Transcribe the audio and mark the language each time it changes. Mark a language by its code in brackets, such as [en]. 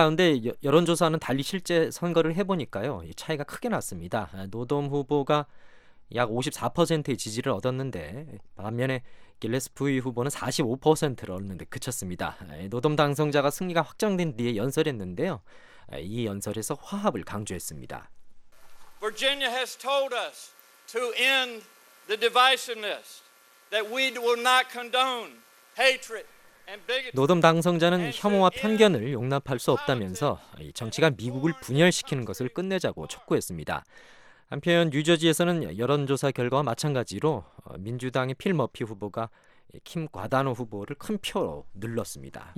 [ko] 그런데 여론조사는 달리 실제 선거를 해보니까요 차이가 크게 났습니다. 노덤 후보가 약 54%의 지지를 얻었는데 반면에 길레스피 후보는 45%를 얻는데 그쳤습니다. 노덤 당선자가 승리가 확정된 뒤에 연설했는데요. 이 연설에서 화합을 강조했습니다. [en] Virginia has told us to end the divisiveness that we will not condone hatred and bigotry. [ko] 노덤 당선자는 혐오와 편견을 용납할 수 없다면서 정치가 미국을 분열시키는 것을 끝내자고 촉구했습니다. 한편 뉴저지에서는 여론조사 결과와 마찬가지로 민주당의 필 머피 후보가 킴 과다노 후보를 큰 표로 눌렀습니다.